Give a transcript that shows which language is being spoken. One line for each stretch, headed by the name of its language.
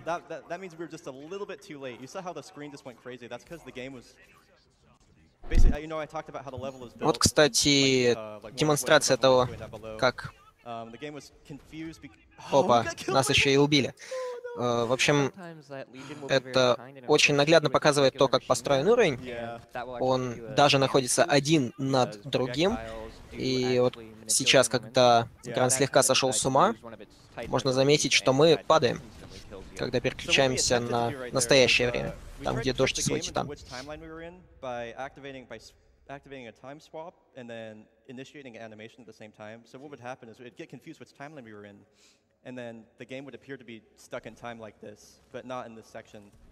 English: That means we were just a little bit too late. You saw how the screen just went crazy. That's because the game was basically, you know, I talked about how the level is built.
Russian: Вот, кстати, демонстрация того, как.
English: The game was confused.
Russian: Опа, нас еще и убили. В общем, это очень наглядно показывает то, как построен уровень. Он даже находится один над другим. И вот сейчас, когда Гран слегка сошел с ума, можно заметить, что мы падаем, когда переключаемся на настоящее время, там, где дождь и свой титан.
English: Activating a time swap and then initiating an animation at the same time. So what would happen is we'd get confused which timeline we were in, and then the game would appear to be stuck in time like this, but not in this section.